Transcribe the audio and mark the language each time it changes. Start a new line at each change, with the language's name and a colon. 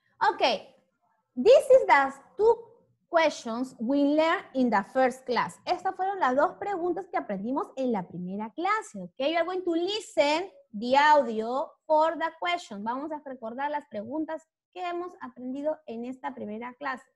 English: Ok, this is the two questions we learned in the first class.
Spanish: Estas fueron las dos preguntas que aprendimos en la primera clase.
English: Ok, you are going to listen the audio for the question.
Spanish: Vamos a recordar las preguntas que hemos aprendido en esta primera clase.